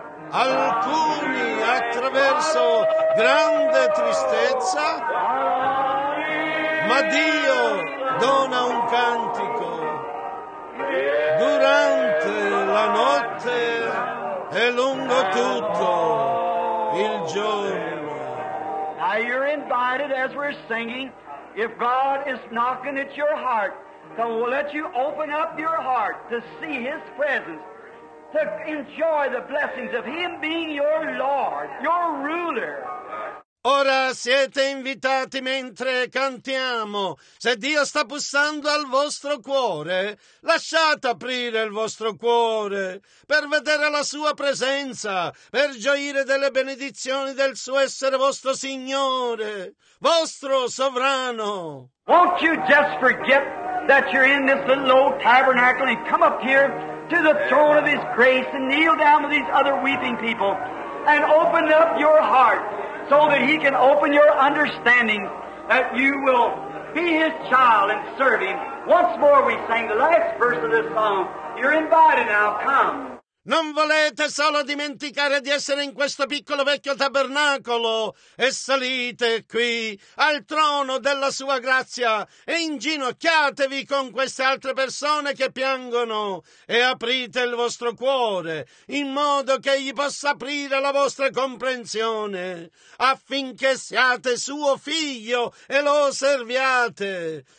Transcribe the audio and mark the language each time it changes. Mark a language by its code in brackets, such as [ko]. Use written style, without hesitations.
[it] Alcuni attraverso grande tristezza, ma Dio dona un cantico durante la notte e lungo tutto il giorno. [en] Now you're invited, as we're singing, if God is knocking at your heart, to let you open up your heart to see His presence, to enjoy the blessings of Him being your Lord, your ruler. [it] Ora siete invitati mentre cantiamo. Se Dio sta bussando al vostro cuore, lasciate aprire il vostro cuore per vedere la sua presenza, per gioire delle benedizioni del suo essere vostro Signore, vostro sovrano. [en] Won't you just forget that you're in this little old tabernacle and come up here to the throne of His grace and kneel down with these other weeping people and open up your heart, so that He can open your understanding, that you will be His child and serve Him. Once more we sing the last verse of this song. You're invited now, come. [it] Non volete solo dimenticare di essere in questo piccolo vecchio tabernacolo e salite qui al trono della sua grazia e inginocchiatevi con queste altre persone che piangono e aprite il vostro cuore in modo che egli possa aprire la vostra comprensione affinché siate suo figlio e lo serviate.